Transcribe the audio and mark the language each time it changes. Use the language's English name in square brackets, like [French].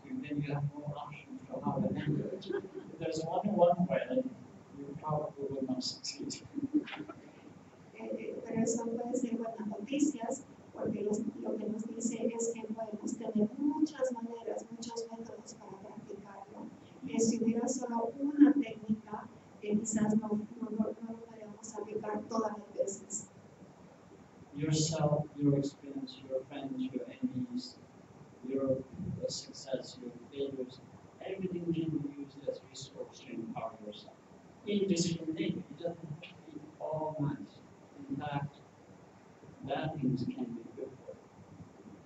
[English] Then you have more options for how to handle it. If there's only one way, you probably will not succeed. [Spanish] Pero eso puede ser buenas noticias, porque lo que nos dice es que podemos tener muchas maneras, muchos métodos para practicarlo. Si hubiera solo una técnica, quizás no lo podríamos aplicar todas las veces. [English] Yourself, your experience, your friends, your enemies, your success, your failures, everything can be used as resource to empower yourself. Indiscriminate, it doesn't have to be all mine. In fact, bad things can be good for you.